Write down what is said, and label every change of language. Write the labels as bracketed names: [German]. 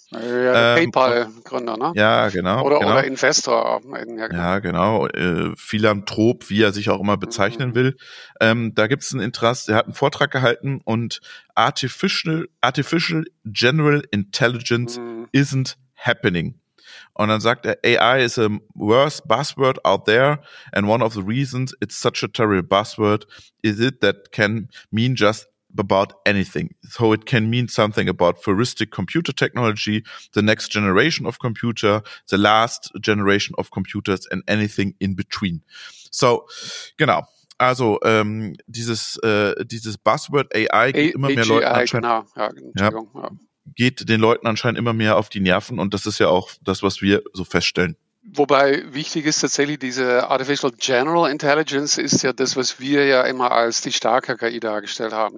[German] Ja, PayPal-Gründer, ne? Ja, genau. Oder Investor. Ja, genau. Philanthrop, wie er sich auch immer bezeichnen will. Da gibt es ein Interesse, er hat einen Vortrag gehalten und [English] Artificial General Intelligence isn't happening. [German] Und dann sagt er, [English] AI is a worst buzzword out there and one of the reasons it's such a terrible buzzword is it that can mean just about anything. So it can mean something about futuristic computer technology, the next generation of computer, the last generation of computers and anything in between. [German] So, genau. Also dieses Buzzword AI geht immer mehr Leute an. Genau. Ja, Entschuldigung. Ja. Geht den Leuten anscheinend immer mehr auf die Nerven und das ist ja auch das, was wir so feststellen. Wobei wichtig ist tatsächlich, diese Artificial General Intelligence ist ja das, was wir ja immer als die starke KI dargestellt haben.